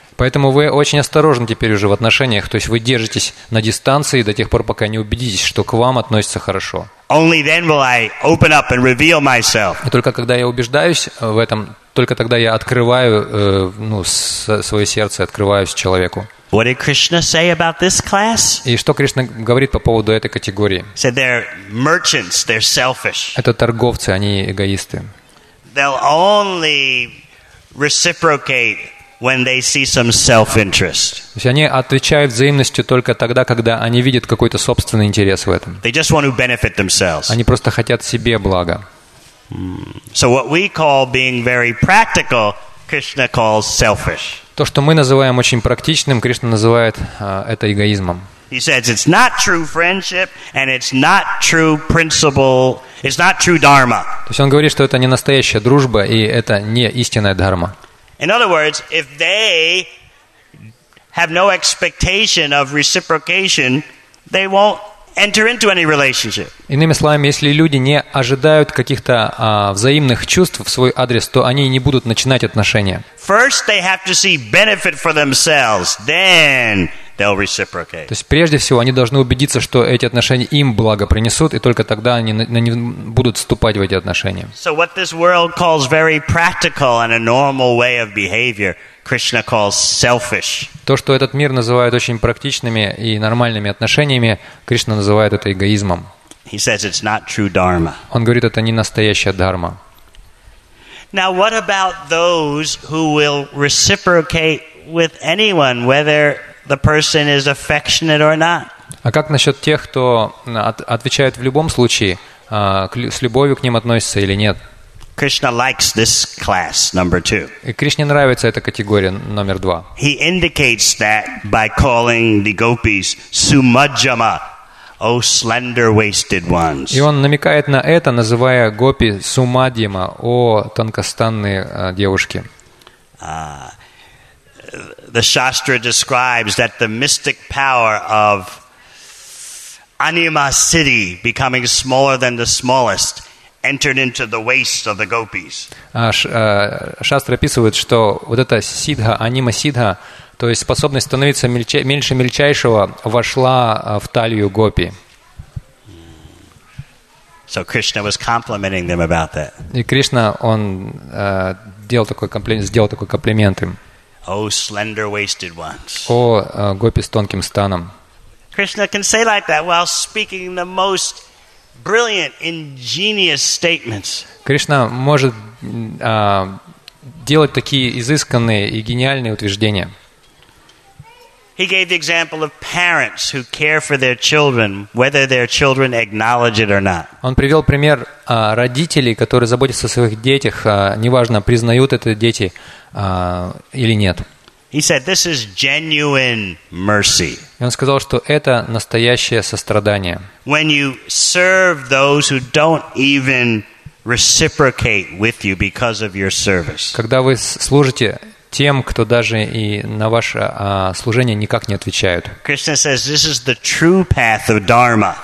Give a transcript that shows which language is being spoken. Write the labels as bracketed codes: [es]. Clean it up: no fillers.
[ru] Поэтому вы очень осторожны теперь уже в отношениях, то есть вы держитесь на дистанции до тех пор, пока не убедитесь, что к вам относятся хорошо. [en] Only then will I open up and reveal myself. [ru] И только когда я убеждаюсь в этом, только тогда я открываю свое сердце, открываюсь человеку. [en] What did Krishna say about this class? [ru] И что Кришна говорит по поводу этой категории? [en] Said they're merchants, they're selfish. [ru] Это торговцы, они эгоисты. [en] They'll only reciprocate when they see some self-interest. [ru] То есть они отвечают взаимностью только тогда, когда они видят какой-то собственный интерес в этом. [en] They just want to benefit themselves. [ru] Они просто хотят себе блага. [en] So what we call being very practical, Krishna calls selfish. [ru] То, что мы называем очень практичным, Кришна называет это эгоизмом. [en] He says it's not true friendship and it's not true principle, it's not true dharma. [ru] То есть он говорит, что это не настоящая дружба и это не истинная дхарма. [en] In other words, if they have no expectation of reciprocation, they won't enter into any relationship. [ru] Иными словами, если люди не ожидают каких-то взаимных чувств в свой адрес, то они не будут начинать отношения. [en] First they have to see benefit for themselves, then they'll reciprocate. [ru] То есть прежде всего они должны убедиться, что эти отношения им благо принесут, и только тогда они будут вступать в эти отношения. [en] So what this world calls very practical and a normal way of behavior, Krishna calls selfish. [ru] То, что этот мир называет очень практичными и нормальными отношениями, Кришна называет это эгоизмом. [en] He says it's not true dharma. [ru] Он говорит, это не настоящая дхарма. [en] Now what about those who will reciprocate with anyone, whether the person is affectionate or not? [ru] А как насчет тех, кто отвечает в любом случае, с любовью к ним относится или нет? [en] Krishna likes this class number two. [ru] И Кришне нравится эта категория номер два. [en] He indicates that by calling the gopis sumajjama, O slender-waisted ones. [ru] И он намекает на это, называя гопи сумадьяма, о тонкостанные девушки. [en] the Shastra describes that the mystic power of Anima City becoming smaller than the smallest entered into the waist of the gopis. [ru] Шастра описывает, что вот эта сидха, анима сидха, то есть способность становиться меньше мельчайшего, вошла в талию гопи. [en] So Krishna was complimenting them about that. [ru] И Кришна, он сделал такой комплимент им. [en] Oh, slender-waisted ones. [ru] О, гопи с тонким станом. [en] Krishna can say like that while speaking the most brilliant, ingenious statements. [ru] Кришна может делать такие изысканные и гениальные утверждения. [en] He gave the example of parents who care for their children, whether their children acknowledge it or not. [ru] Он привел пример родителей, которые заботятся о своих детях, неважно, признают это дети или нет. [en] He said, "This is genuine mercy." [ru] И он сказал, что это настоящее сострадание. [en] When you serve those who don't even reciprocate with you because of your service. [ru] Когда вы служите тем, кто даже и на ваше служение никак не отвечают. [en] Krishna says, "This is the true path of dharma."